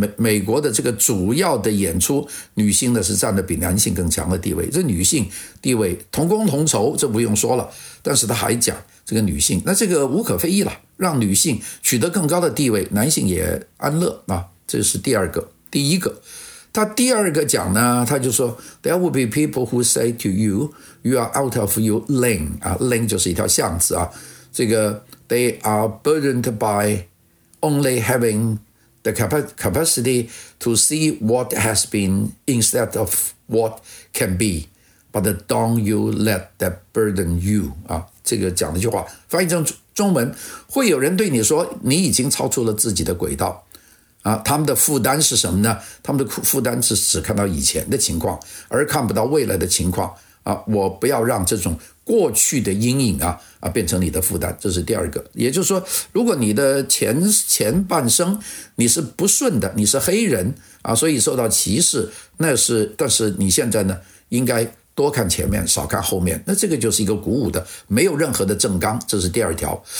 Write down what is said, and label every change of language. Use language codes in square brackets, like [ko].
[zh] 美国的这个主要的演出，女性呢是占的比男性更强的地位。这女性地位同工同酬，这不用说了。但是他还讲这个女性，那这个无可非议了，让女性取得更高的地位，男性也安乐啊。这是第二个，第一个。他第二个讲呢，他就说 [en] There will be people who say to you You are out of your lane、 [zh] 啊、Lane 就是一条巷子啊。这个 [en] They are burdened by Only having the capacity To see what has been Instead of what can be But don't you let that burden you、 [zh] 啊、这个讲的句话翻译成中文，会有人对你说你已经超出了自己的轨道啊，他们的负担是什么呢？他们的负担是只看到以前的情况，而看不到未来的情况啊！我不要让这种过去的阴影啊变成你的负担，这是第二个。也就是说，如果你的前半生你是不顺的，你是黑人啊，所以受到歧视，那是，但是你现在呢，应该多看前面，少看后面，那这个就是一个鼓舞的，没有任何的正纲，这是第二条。